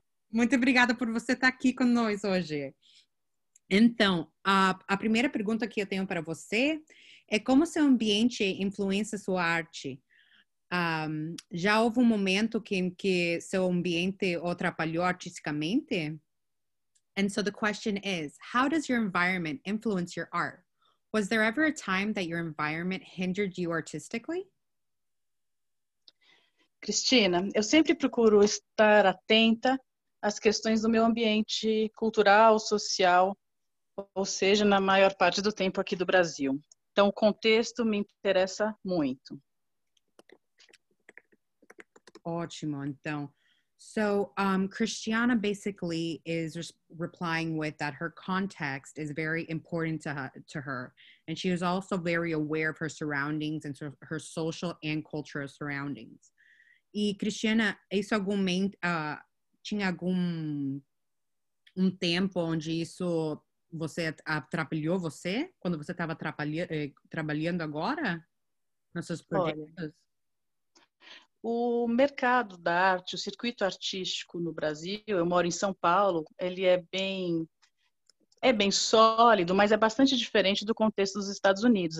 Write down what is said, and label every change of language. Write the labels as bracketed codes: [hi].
[pt] Muito obrigada por você estar aqui conosco hoje. Então, a primeira pergunta que eu tenho para você é como seu ambiente influencia sua arte? Já houve momento que seu ambiente atrapalhou artisticamente? [en] And so the question is, how does your environment influence your art? Was there ever a time that your environment hindered you artistically? [pt] Cristina, eu sempre procuro estar atenta às questões do meu ambiente cultural, social, ou seja, na maior parte do tempo aqui do Brasil. Então, o contexto me interessa muito. Ótimo, então. [en] So, Christiana basically is replying with that her context is very important to her. And she is also very aware of her surroundings and her social and cultural surroundings. [pt] E, Christiana, isso tinha algum tempo onde isso você atrapalhou você? Quando você estava trabalhando agora? Nos seus projetos? O mercado da arte, o circuito artístico no Brasil, eu moro em São Paulo, ele é bem sólido, mas é bastante diferente do contexto dos Estados Unidos.